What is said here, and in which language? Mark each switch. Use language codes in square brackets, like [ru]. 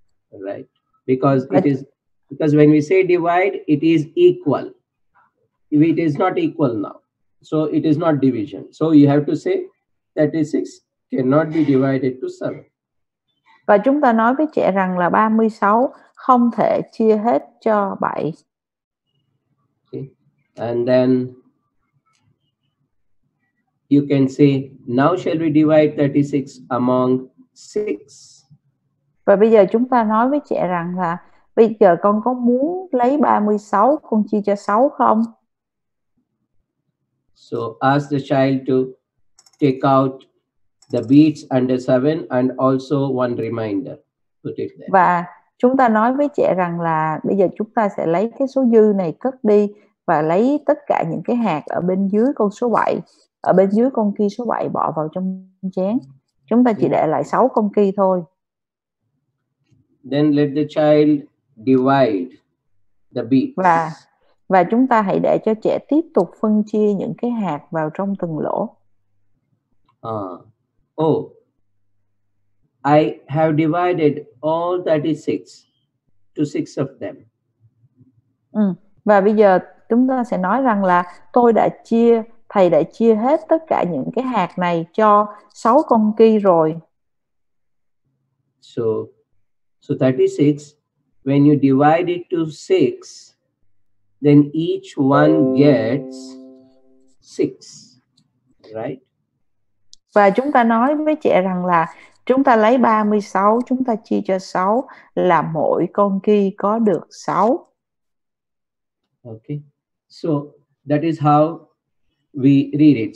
[en] Right, because when we say divide, it is equal. If it is not equal now, so it is not division. So you have to say 36 cannot be divided to 7. [vi] Và chúng ta nói với trẻ rằng là 36 không thể chia hết cho 7. [en] Okay. And then you can say, now shall we divide 36 among 6? [vi] Và bây giờ chúng ta nói với trẻ rằng là bây giờ con có muốn lấy 36 con chia cho 6 không? [en] So ask the child to take out the beads under 7 and also one remainder. Put it there. [vi] Và chúng ta nói với trẻ rằng là bây giờ chúng ta sẽ lấy cái số dư này cất đi và lấy tất cả những cái hạt ở bên dưới con số 7, ở bên dưới con key số 7 bỏ vào trong chén. Chúng ta chỉ để lại 6 con key thôi. [en] Then let the child divide the beads. [vi] Và chúng ta hãy để cho trẻ tiếp tục phân chia những cái hạt vào trong từng lỗ. [en] I have divided all 36 to 6 of them. [vi] Và bây giờ chúng ta sẽ nói rằng là thầy đã chia hết tất cả những cái hạt này cho 6 con key rồi. [en] So 36, when you divide it to 6, then each one gets 6, right? [vi] Và chúng ta nói với chị rằng là chúng ta lấy 36, chúng ta chia cho 6 là mỗi con kia có được 6. [en] Okay, so that is how we read it.